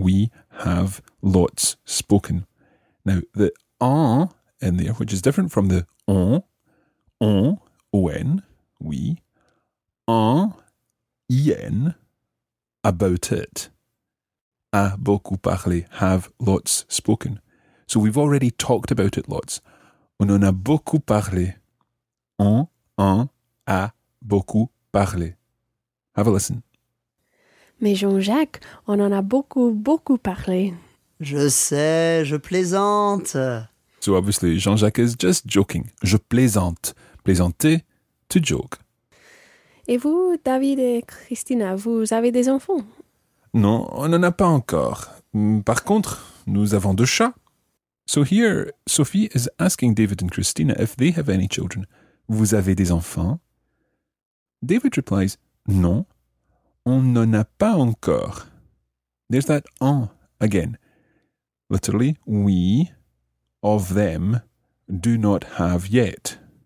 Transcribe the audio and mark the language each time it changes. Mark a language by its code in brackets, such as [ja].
[en] We have lots spoken. Now, the en in there, which is different from the on, on, on, oui, en, en, about it, [fr] a beaucoup parlé, [en] have lots spoken. So we've already talked about it lots. [fr] On en a beaucoup parlé. On en a beaucoup parlé. [en] Have a listen. [fr] Mais Jean-Jacques, on en a beaucoup, beaucoup parlé. Je sais, je plaisante. [en] So obviously, Jean-Jacques is just joking. [fr] Je plaisante. [en] Plaisanter, to joke. [fr] Et vous, David et Christina, vous avez des enfants? Non, on n'en a pas encore. Par contre, nous avons deux chats. [en] So here, Sophie is asking David and Christina if they have any children. [fr] Vous avez des enfants? [en] David replies, [fr] non, on n'en a pas encore. [en] There's that en again. Literally, we, of them, do not have yet.